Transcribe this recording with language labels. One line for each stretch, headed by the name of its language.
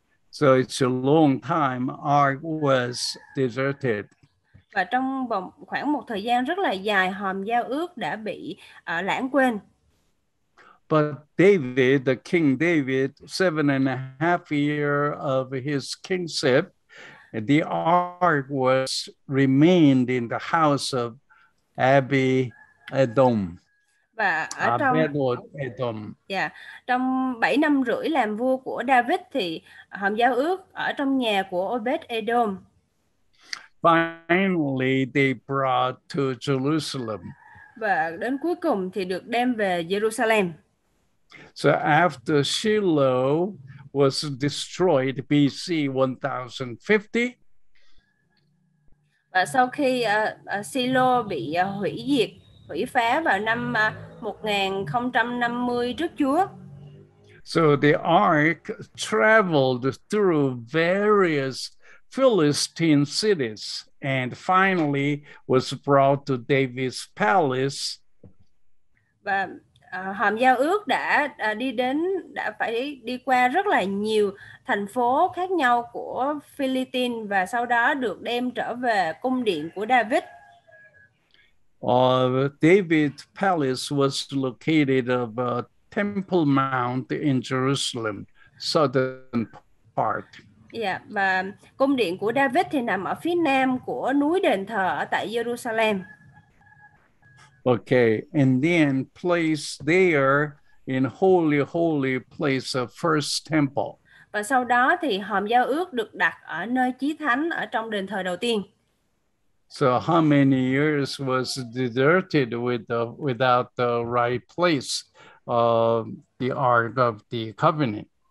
English: So it's a long time ark was deserted.
Vietnamese: Và trong vòng khoảng một thời gian rất là dài hòm giao ước đã bị lãng quên.
English: But David, the King David, 7.5 years of his kingship, the ark was remained in the house of Abinadab.
Vietnamese: Và ở Abinadab. Yeah, trong
English: 7.5 years
Vietnamese: làm vua của David thì hòm giao ước ở trong nhà của Obed-Edom.
English: Finally, they brought to Jerusalem.
Vietnamese: Và đến cuối cùng thì được đem về Jerusalem.
English: So after Shiloh was destroyed BC 1050.
Vietnamese: Và sau khi Shiloh bị hủy diệt, hủy phá vào năm 1050 trước Chúa.
English: So the ark traveled through various Philistine cities and finally was brought to David's palace.
Vietnamese: Và hòm giao ước đã phải đi qua rất là nhiều thành phố khác nhau của Philippines và sau đó được đem trở về cung điện của David.
English: David's palace was located at Temple Mount in Jerusalem, southern part.
Vietnamese: Yeah, và cung điện của David thì nằm ở phía nam của núi đền thờ ở tại Jerusalem.
English: Okay, and then place there in holy, holy place of first temple.
Vietnamese: Và sau đó thì hòm giao ước được đặt ở nơi chí thánh ở trong đền thờ đầu tiên.
English: So how many years was deserted without the right place of the Ark of the Covenant?